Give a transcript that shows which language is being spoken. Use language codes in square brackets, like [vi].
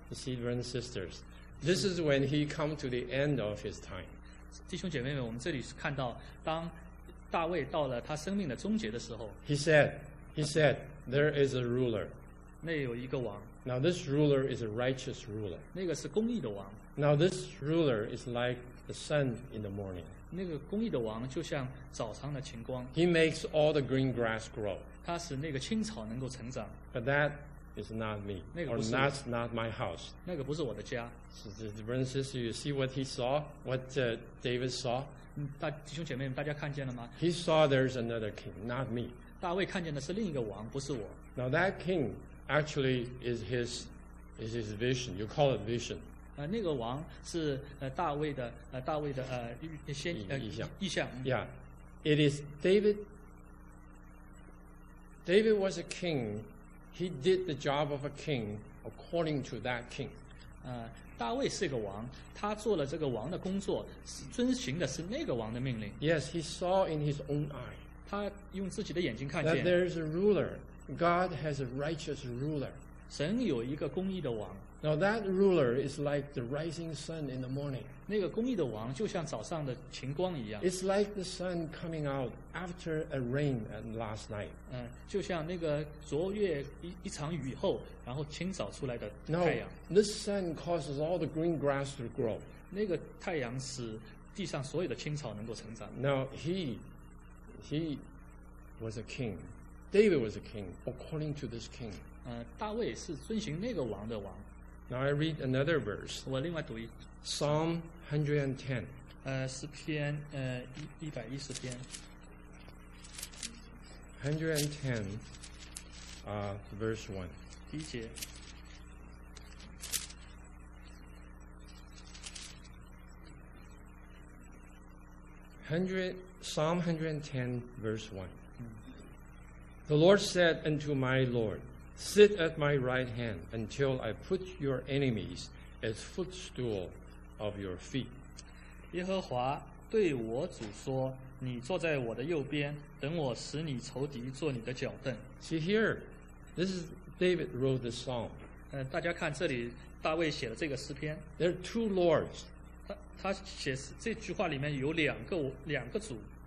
[en] The brothers and sisters, this is when he come to the end of his time. [zh] 弟兄姐妹们，我们这里看到当大卫到了他生命的终结的时候。 [en] He said, there is a ruler. [zh] 那有一个王。 [en] Now this ruler is a righteous ruler. [zh] 那个是公义的王。 [en] Now this ruler is like the sun in the morning. [zh] 那个公义的王就像早上的晴光。 [en] He makes all the green grass grow. [zh] 他使那个青草能够成长。 [en] But that is not me. [zh] 那个不是我。 [en] Or that's not my house. [zh] 那个不是我的家。 [en] So the brothers and sisters, you see what he saw? What David saw? [zh] 弟兄姐妹们，大家看见了吗？ [en] He saw there's another king, not me. [zh] 大卫看见的是另一个王，不是我。 [en] Now that king actually is his vision. You call it vision. [zh] 那个王是大卫的大卫的意象。 Yeah, [en] it is David. David was a king. He did the job of a king according to that king. [zh] 大卫是个王，他做了这个王的工作，遵循的是那个王的命令。 [en] Yes, he saw in his own eye. [zh] 他用自己的眼睛看见。 [en] That there is a ruler. God has a righteous ruler. [zh] 神有一个公义的王。 [en] Now that ruler is like the rising sun in the morning. [zh] 那个公义的王就像早上的晴光一样。 [en] It's like the sun coming out after a rain last night. [zh] 就像那个昨夜一场雨后，然后清早出来的太阳。 [en] No, this sun causes all the green grass to grow. [zh] 那个太阳使地上所有的青草能够成长。 [en] Now he was a king. David was a king according to this king. [zh] 大卫是遵循那个王的王。 [en] Now I read another verse. [zh] 我另外读一。 [en] Psalm 110. [zh] 诗篇一百一十篇。 [en] 110, verse 1. [zh] 第一节。 [en] Psalm 110, verse 1. The Lord said unto my Lord, Sit at my right hand until I put your enemies as footstool of your feet. [zh] 耶和华对我主说，你坐在我的右边，等我使你仇敌做你的脚凳。 [en] See here, this is David wrote this song. [zh] 大家看这里，大卫写了这个诗篇。 [en] There are two lords. [zh] 他写这句话里面有两个主。